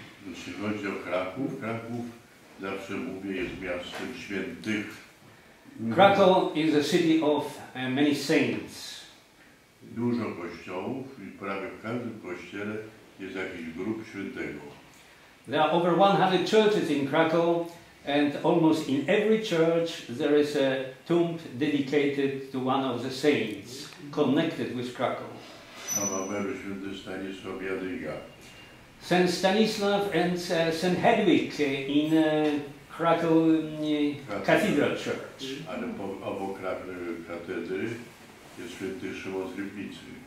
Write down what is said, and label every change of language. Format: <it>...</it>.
<pl>Jeśli chodzi o Kraków, Kraków zawsze mówię jest miastem świętych.</pl> <en>Krakow is a city of many saints.</en> <pl>Dużo kościołów i prawie w każdym kościele jest jakiś grób świętego.</pl> <en>There are over 100 churches in Krakow and almost in every church there is a tomb dedicated to one of the saints connected with Krakow.</en> <pl>Na Wawelu święty Stanisław Jadwiga.</pl> <en>Saint Stanisław and Saint Hedwig in Krakow Cathedral Church.</en> <pl>Ale obok katedry jest święty Szymon z Rybnicy.</pl>